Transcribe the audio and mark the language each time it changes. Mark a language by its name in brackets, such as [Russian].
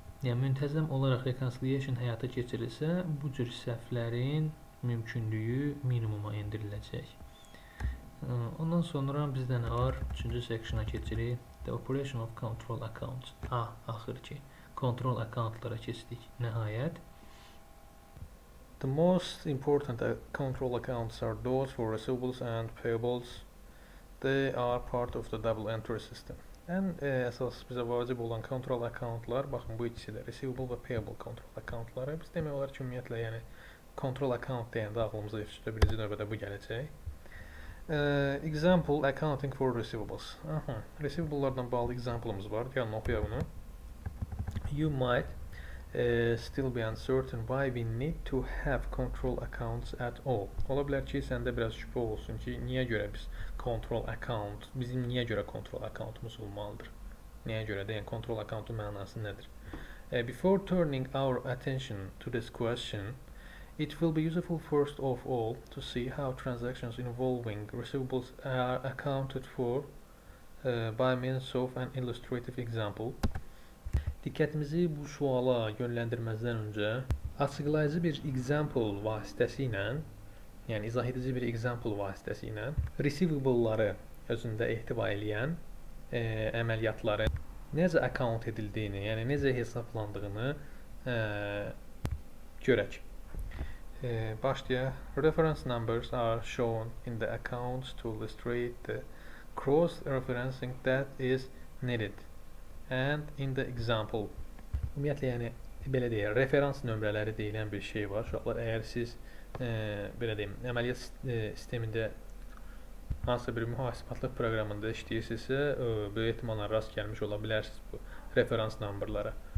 [Azerbaijani] Yəni müntəzəm olaraq reconciliation həyata keçirilsə, bu cür səhvlərin mümkünlüyü minimuma endiriləcək. Ondan sonra bizdə nə var? 3-cü sectiona keçirik. [English] The operation of control accounts. [Azerbaijani] Axır ki, control accountlara keçdik nəhayət. [English] The most important control accounts are those for receivables and payables. They are part of the double entry system. [Azerbaijani] Ən əsas bizə vacib olan control accountlar, baxın bu ikisi də receivable və payable control accountları. Biz demək olar ki, ümumiyyətlə, yəni control account deyəndə ağlımıza ilk üstə birinci növbədə bu gələcək. [English] Example accounting for receivables. [Azerbaijani] Aha, receivable-lardan bağlı example-ımız var. Yəni oxuya bunu. [English] You might still be uncertain why we need to have control accounts at all. [Azerbaijani] Ola bilər ki, səndə biraz şübhə olsun ki, niyə görə biz control account, bizim niyə görə control accountumuz olmalıdır? Niyə görə deyən yani control accountun mənası nədir? [English] Before turning our attention to this question, it will be useful first of all to see how transactions involving receivables are accounted for by means of an illustrative example. [Azerbaijani] Diqqətimizi bu suala yönləndirməzdən öncə açıqlayıcı bir example vasitəsi ilə, yəni izah edici bir example vasitəsi ilə receivable-ları özündə ehtiva edən əməliyyatların necə account edildiyini, yəni necə hesablandığını görək. Başlayaq. [English] Reference numbers are shown in the accounts to illustrate the cross-referencing that is needed. And in the example, [Azerbaijani] ümumiyyətlə, yəni, belə deyək, referans nömrələri deyilən bir şey var. Uşaqlar, əgər siz, belə deyim, əməliyyat sistemində hansısa bir mühasibatlıq proqramında işləyirsinizsə, böyük ehtimalla rast gəlmiş ola bilərsiniz bu referans nömrələrə.